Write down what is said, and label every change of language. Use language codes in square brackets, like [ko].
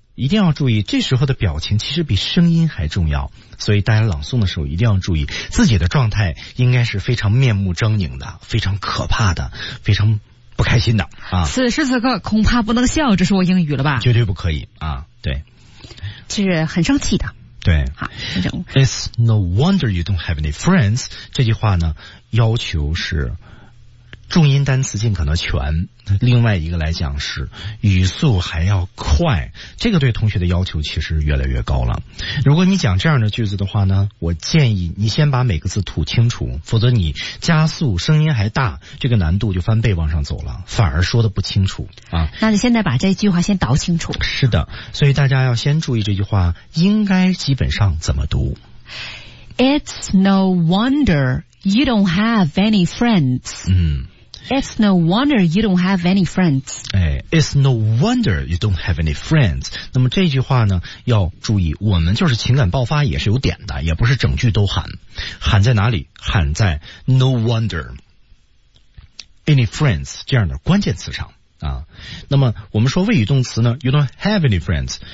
[zh] 一定要注意，这时候的表情其实比声音还重要，所以大家朗诵的时候一定要注意自己的状态，应该是非常面目狰狞的，非常可怕的，非常不开心的啊。此时此刻恐怕不能笑，这是我英语了吧？绝对不可以啊！对，是很生气的。对，好 [en] ，It's no wonder you don't have any friends。 [zh] 这句话呢，要求是重音单词尽可能全，另外一个来讲是语速还要快，这个对同学的要求其实越来越高了。如果你讲这样的句子的话呢，我建议你先把每个字吐清楚，否则你加速声音还大，这个难度就翻倍往上走了，反而说的不清楚啊。那就现在把这句话先倒清楚。是的，所以大家要先注意这句话应该基本上怎么读。 [en] It's no wonder you don't have any friends. It's no wonder you don't have any friends. 哎 ，It's no wonder you don't have any friends. [zh] 那么这句话呢，要注意，我们就是情感爆发也是有点的，也不是整句都喊。喊在哪里？喊在 [en] no wonder any friends [zh] 这样的关键词上啊。那么我们说谓语动词呢 ， [en] you don't have any friends.